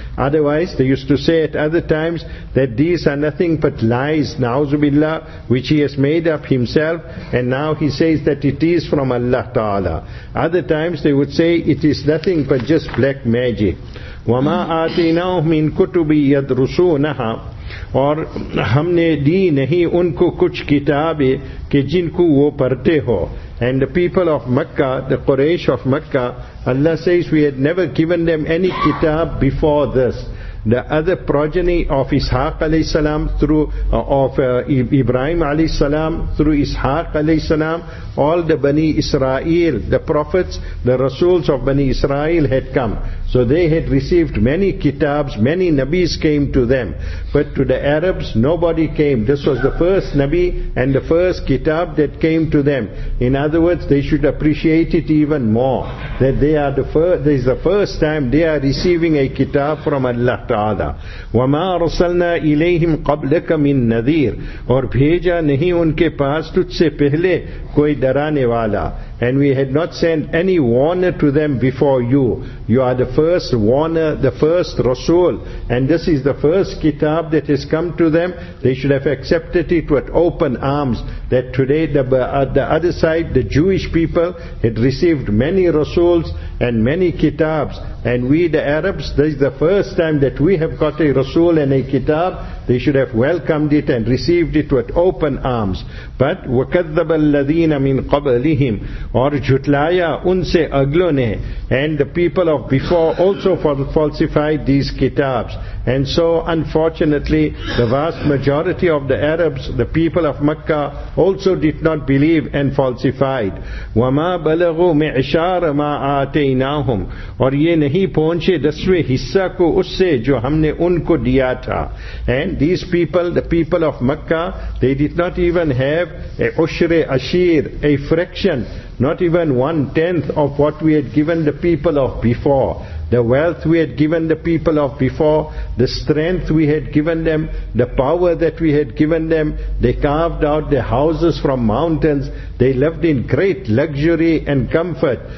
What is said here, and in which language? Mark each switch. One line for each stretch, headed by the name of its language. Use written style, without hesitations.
English: Otherwise, they used to say at other times that these are nothing but lies, na'uzubillah, which he has made up himself, and now he says that it is from Allah Ta'ala. Other times they would say it is nothing but just black magic.
Arabic: وَمَا آتِنَوْ مِنْ كُتُبِ يَدْرُسُونَهَا.
Urdu: اور ہم نے دی نہیں ان کو کچھ کتابیں کہ جن کو وہ پڑھتے ہو.
English: And the people of Makkah, the Quraysh of Makkah, Allah says we had never given them any kitab before this. The other progeny of Ishaq alayhi salam through Ibrahim alayhi salam through Ishaq alayhi salam, all the Bani Israel, the prophets, the rasuls of Bani Israel had come. So they had received many kitabs, many nabis came to them. But to the Arabs, nobody came. This was the first nabi and the first kitab that came to them. In other words, they should appreciate it even more, that this is the first time they are receiving a kitab from Allah.
Arabic: تعالى وما ارسلنا اليهم قبلك من نذير
Urdu: اور بھیجا نہیں ان کے پاس تجھ سے پہلے کوئی ڈرانے والا
English: and we had not sent any warner to them before you. You are the first warner, the first Rasul, and this is the first kitab that has come to them. They should have accepted it with open arms, that today the other side, the Jewish people, had received many Rasuls and many kitabs. And we the Arabs, this is the first time that we have got a Rasul and a kitab. They should have welcomed it and received it with open arms. But
Arabic: وَكَذَّبَ الَّذِينَ مِنْ قَبْلِهِمْ
Urdu: اور جھٹلایا ان سے اگلوں نے
English: and the people of before also falsified these kitabs. And so unfortunately the vast majority of the Arabs, the people of Makkah, also did not believe and falsified.
Arabic: وَمَا بَلَغُوا مِعْشَارَ مَا آتَيْنَاهُمْ
Urdu: اور یہ نہیں پہنچے دسویں حصہ کو اس سے جو ہم نے ان کو دیا تھا.
English: And these people, the people of Makkah, they did not even have a ushre ashir, a fraction, not even one-tenth of what we had given the people of before. The wealth we had given the people of before, the strength we had given them, the power that we had given them, they carved out their houses from mountains, they lived in great luxury and comfort.